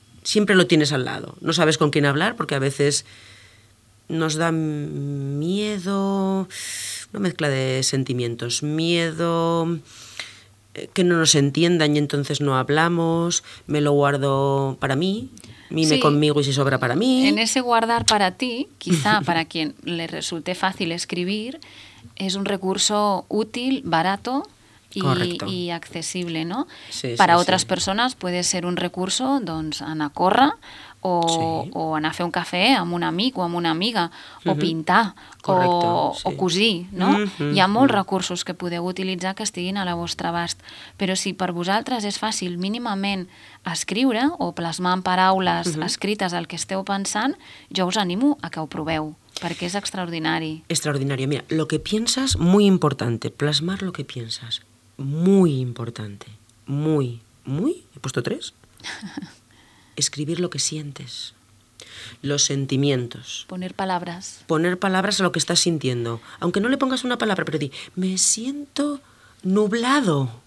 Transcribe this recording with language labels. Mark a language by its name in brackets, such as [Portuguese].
[Spanish] Siempre lo tienes al lado. No sabes con quién hablar porque a veces nos da miedo, una mezcla de sentimientos, miedo, que no nos entiendan y entonces no hablamos, me lo guardo para mí, mime sí, conmigo y si sobra para mí. En ese guardar para ti, quizá para quien le resulte fácil escribir, es un recurso útil, barato y accesible, ¿no? Sí, para sí, otras sí. personas puede ser un recurso, [Catalan] doncs, anacorra, [Spanish] o, sí. [Catalan] o anar a fer un cafè amb un amic o amb una amiga, uh-huh. o pintar, correcte, o cosir, no? Uh-huh. Hi ha molts recursos que podeu utilitzar que estiguin a la vostra abast. Però si per vosaltres és fàcil mínimament escriure o plasmar en paraules uh-huh. escrites el que esteu pensant, jo us animo a que ho proveu, perquè és extraordinari. Extraordinari. [Spanish] Mira, lo que piensas, muy importante. Plasmar lo que piensas, muy importante. Muy, muy. He puesto tres. Escribir lo que sientes, los sentimientos. Poner palabras. Poner palabras a lo que estás sintiendo. Aunque no le pongas una palabra, pero di, me siento nublado.